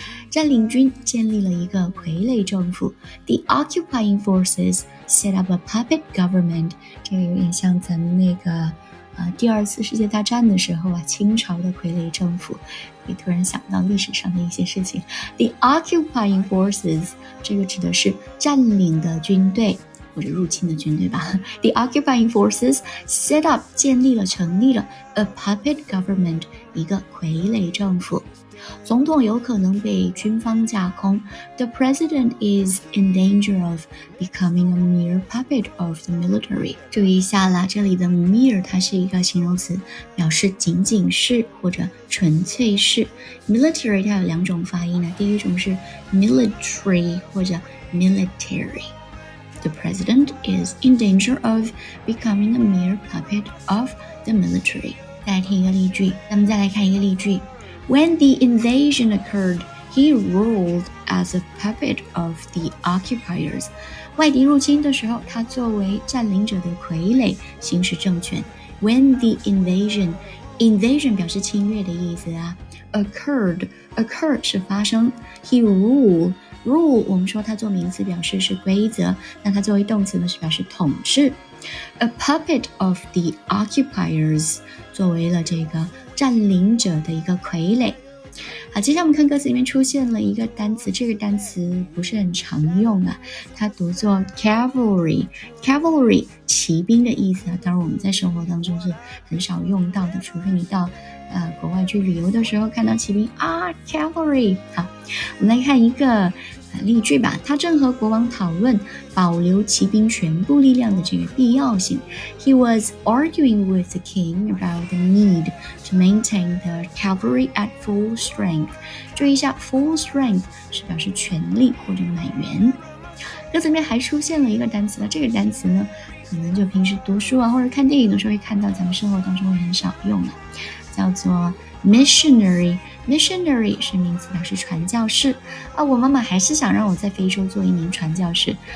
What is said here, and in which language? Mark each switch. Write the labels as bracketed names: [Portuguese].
[Chinese] 占领军建立了一个傀儡政府。 [English] The occupying forces set up a puppet government. [Chinese] 这个有点像咱们那个、第二次世界大战的时候啊，清朝的傀儡政府。也突然想到历史上的一些事情。 [English] The occupying forces, [Chinese] 这个指的是占领的军队。或者入侵的军队吧。 [English] The occupying forces set up, [Chinese] 建立了成立了 [English] a puppet government, [Chinese] 一个傀儡政府。总统有可能被军方架空。 [English] The president is in danger of becoming a mere puppet of the military. [Chinese] 注意一下啦，这里的 mere 它是一个形容词，表示仅仅是或者纯粹是。 Military 它有两种发音呢，第一种是 military 或者 military。 [English] The president is in danger of becoming a mere puppet of the military. [Chinese] 再来听一个例句，咱们再来看一个例句。 [English] When the invasion occurred, he ruled as a puppet of the occupiers. [Chinese] 外敌入侵的时候，他作为占领者的傀儡行使政权。 [English] When the invasion [Chinese] 表示侵略的意思啊。 Occur 是发生。 He rule 我们说它做名词表示是规则，那它作为动词呢是表示统治。 [English] A puppet of the occupiers [Chinese] 作为了这个占领者的一个傀儡。好，接下来我们看歌词里面出现了一个单词，这个单词不是很常用啊，它读作 cavalry 骑兵的意思啊，当然我们在生活当中是很少用到的，除非你到国外去旅游的时候看到骑兵啊 cavalry。好，我们来看一个例句吧。他正和国王讨论保留骑兵全部力量的这个必要性。 [English] He was arguing with the king about the need to maintain the cavalry at full strength. [Chinese] 注意一下 full strength 是表示全力或者满员。歌词里面还出现了一个单词，这个单词呢可能就平时读书啊或者看电影的时候会看到，咱们生活当中会很少用了、叫做 missionary。 Missionary 是名词，表示传教士。啊，我妈妈还是想让我在非洲做一名传教士。